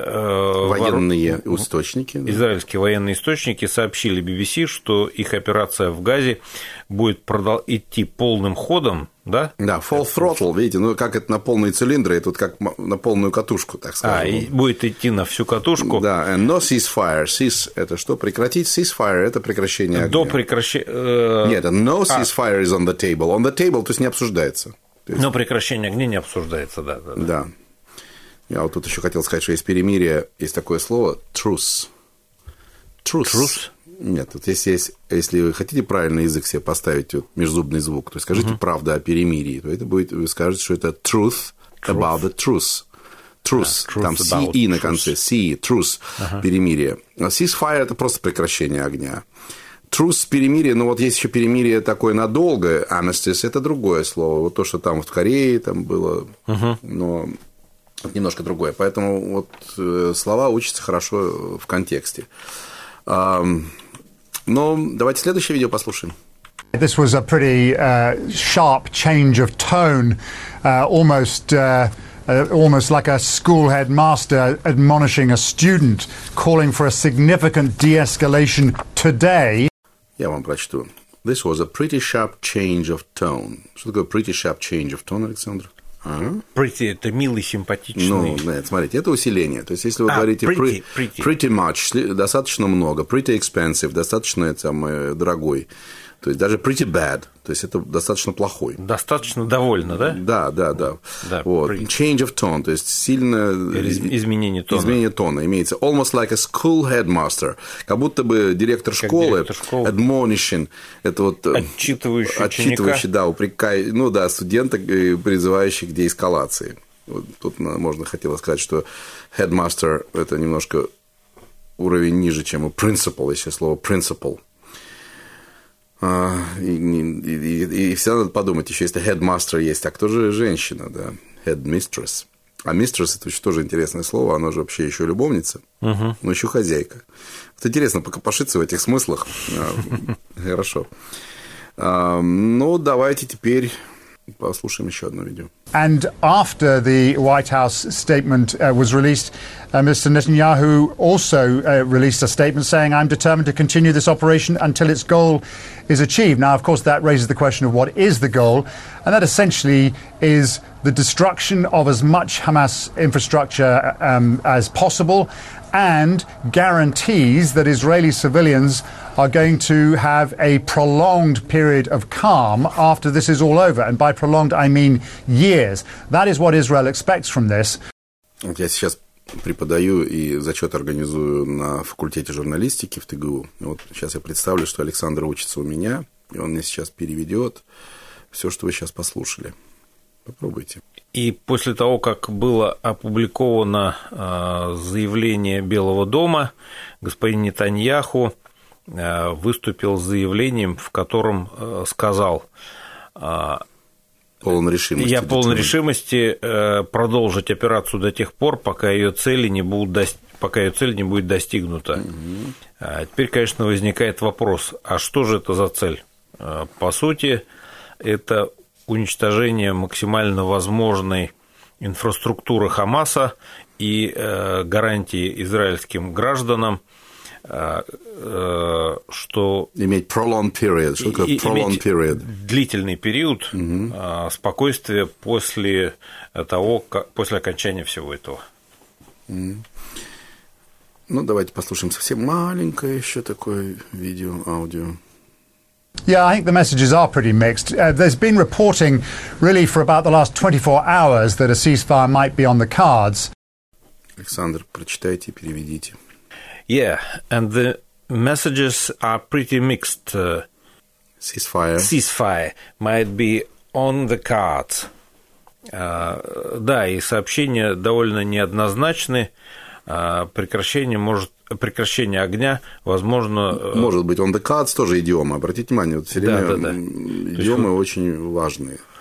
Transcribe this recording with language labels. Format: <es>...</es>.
<ru>военные источники, да? Израильские военные источники сообщили BBC, что их операция в Газе будет идти полным ходом, да? Да,</ru> <en>full throttle,</en> <ru>видите, ну как это на полные цилиндры, это вот как на полную катушку, так скажем. А, и будет идти на всю катушку. Да,</ru> <en>and no ceasefire,</en> <ru>cease – это что? Прекратить, ceasefire – это прекращение огня. До прекращения… Нет,</ru> <en>no ceasefire is on the table,</en> <ru>то есть не обсуждается. Есть... Но прекращение огня не обсуждается, да. Да, да. Я вот тут еще хотел сказать, что есть перемирие, есть такое слово truce.</ru> <en>Truce. Truce?</en> <ru>Нет, вот если есть, если вы хотите правильный язык себе поставить, вот межзубный звук, то скажите правду о перемирии, то это будет, вы скажете, что это truth, truth.</ru> <en>About the truth. Truce. Yeah, truth.</en> <ru>Там C-E на truth. Конце. C-E, truce, перемирие. А ceasefire – это просто прекращение огня. Трус, перемирие, но вот есть еще перемирие такое надолго, amnestice – это другое слово. Вот то, что там вот в Корее там было, но... Немножко другое. Поэтому вот слова учатся хорошо в контексте. Но давайте следующее видео послушаем.</ru> <en>This was a pretty sharp change of tone, almost like a school headmaster admonishing a student, calling for a significant de-escalation today.</en> <ru>Я вам прочту.</ru> <en>This was a pretty sharp change of tone.</en> <ru>Что такое</ru> <en>pretty sharp change of tone, Александр?</en> <ru>Pretty – это милый, симпатичный. Ну, нет, смотрите, это усиление. То есть, если вы говорите</ru> <en>pretty much</en> <ru>– достаточно много,</ru> <en>pretty expensive</en> <ru>– достаточно дорогой. То есть, даже</ru> <en>pretty bad</en> <ru>– то есть, это достаточно плохой. Достаточно довольно, да? Да, да, да. Да, вот.</ru> <en>Change of tone</en> <ru>– то есть, сильно… Изменение тона. Изменение тона имеется.</ru> <en>Almost like a school headmaster</en> <ru>– как будто бы директор школы. Директор школы. Admonishing – это вот… Отчитывающий ученика. Да, упрекающий, ну да, студента, призывающий к деэскалации. Вот тут можно хотело сказать, что headmaster – это немножко уровень ниже, чем у principal, если слово principal. И всегда надо подумать, еще если headmaster есть, а кто же женщина, да? Headmistress. А mistress – это очень тоже интересное слово, она же вообще еще любовница, но еще хозяйка. Вот интересно покопошиться в этих смыслах. Хорошо. Ну, давайте теперь послушаем еще одно видео.</ru> <en>And after the White House statement was released, Mr. Netanyahu also released a statement saying, "I'm determined to continue this operation until its goal is achieved." Now, of course, that raises the question of what is the goal, and that essentially is the destruction of as much Hamas infrastructure as possible, and guarantees that Israeli civilians are going to have a prolonged period of calm after this is all over. And by prolonged, I mean years. That is what Israel expects from this.</en> <ru>Я сейчас преподаю и зачет организую на факультете журналистики в ТГУ. Вот сейчас я представлю, что Александр учится у меня, и он мне сейчас переведет все, что вы сейчас послушали. Попробуйте. И после того, как было опубликовано заявление Белого дома, господин Нетаньяху выступил с заявлением, в котором сказал: «Полон решимости, я полон решимости продолжить операцию до тех пор, пока ее цель не будет достигнута». Угу. Теперь, конечно, возникает вопрос: а что же это за цель? По сути, это уничтожение максимально возможной инфраструктуры Хамаса и гарантии израильским гражданам, что иметь</ru> <en>prolonged period,</en> <ru>что такое prolonged period, длительный период спокойствия после того, после окончания всего этого. Ну давайте послушаем совсем маленькое еще такое видео аудио.</ru> <en>Yeah, I think the messages are pretty mixed. There's been reporting really for about the last 24 hours that a ceasefire might be on the cards.</en> <ru>Александр, прочитайте и переведите.</ru> <en>Yeah, and the messages are pretty mixed. Ceasefire might be on the cards.</en> <ru>Да, и сообщения довольно неоднозначны. Прекращение огня, возможно... Может быть,</ru> <en>on the cards</en> <ru>тоже идиома. Обратите внимание, вот все время идиомы очень важные.</ru>